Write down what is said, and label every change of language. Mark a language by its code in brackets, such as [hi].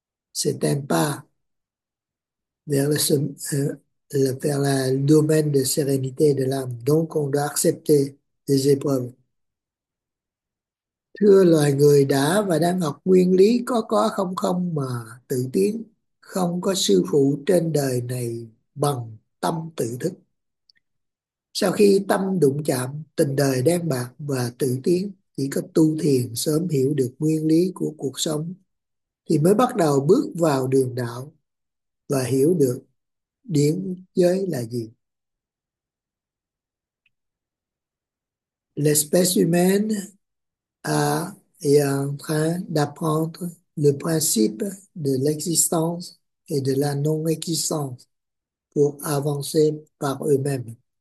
[fr] C'est un pas vers le domaine de sérénité de l'âme. Donc, on doit accepter les épreuves. [vi] Thưa loài người đã và đang học nguyên lý có không không mà tự tiến, không có sư phụ trên đời này bằng tâm tự thức. Sau khi tâm đụng chạm, tình đời đen bạc và tự tiến, chỉ có tu thiền sớm hiểu được nguyên lý của cuộc sống thì mới bắt đầu bước vào đường đạo và hiểu được điển giới là gì. [fr] L'espèce humaine a est en train d'apprendre le principe de l'existence et de la non-existence pour avancer par eux-mêmes.